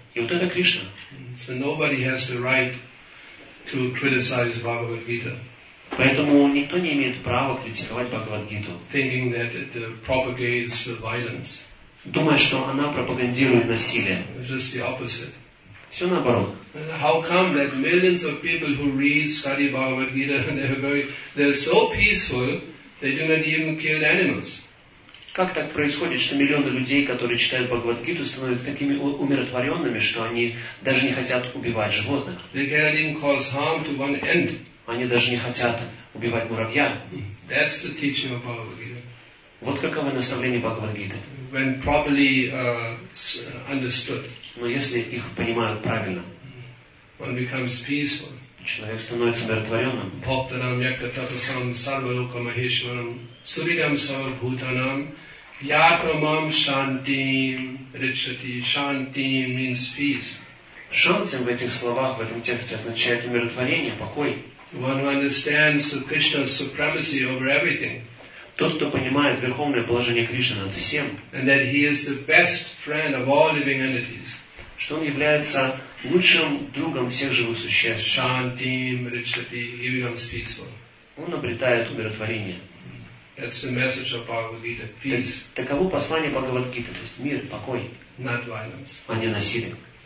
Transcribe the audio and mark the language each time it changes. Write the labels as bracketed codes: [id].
[ru] И вот это Кришна. [en] So nobody has the right to criticize Bhagavad Gita. [ru] Поэтому никто не имеет права критиковать Бхагавад-гиту. [en] Thinking that it propagates violence. [ru] Думая, что она пропагандирует насилие. [en] Just the opposite. [ru] Все наоборот. [en] How come that millions of people who read, study Bhagavad-gita, they're so peaceful, they do not even kill animals? [ru] Как так происходит, что миллионы людей, которые читают Бхагавад-гиту, становятся такими умиротворенными, что они даже не хотят убивать животных? [en] They cannot even cause harm to one ant. [ru] Они даже не хотят убивать муравья. [en] That's the teaching of Bhagavad-gita. [ru] Вот каково наставление Бхагавад-гиты. [en] When properly understood. [ru] Но если их понимают правильно, [en] one becomes peaceful. [ru] Человек становится умиротворенным. [sa] Бхактанам яктатапасам сарвалока махешварам сувидам сарвабхутанам якрамам шантим ричати. [en] Шантим means peace. [ru] Шантим в этих словах, в этом тексте означает умиротворение, покой. [en] One who understands Krishna's supremacy over everything. [ru] Тот, кто понимает верховное положение Кришны над всем. [en] And that he is the best friend of all living entities. [ru] Что он является лучшим другом всех живых существ. [en] Shanti, Mrichati, he becomes peaceful. [ru] Он обретает умиротворение. [en] That's the message of Bhagavad Gita. Peace. [ru] Таково послание Бхагавад Гиты, то есть мир, покой. [en] Not violence. [ru] А не насилие.